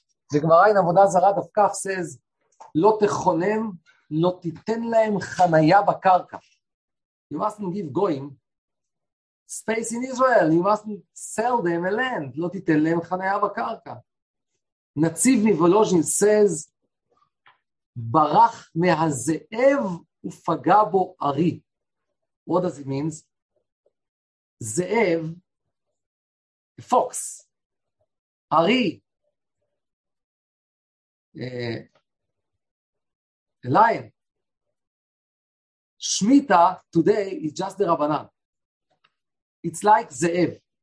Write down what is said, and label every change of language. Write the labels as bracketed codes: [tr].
[en] The Gemara in Avodah Zarah, Daf Kaf, says, Lo techonem. [he] לא תיתן להם חנייה בקרקע. [en] You mustn't give going space in Israel. You mustn't sell them a land. [he] לא תיתן להם חנייה בקרקע. נציב מבולוז'ין says, ברח מהזאב ופגע בו ארי. [en] What does it mean? זאב, a fox, ארי, a lion. Shmita today is just the Rabbanan. It's like Ze'ev.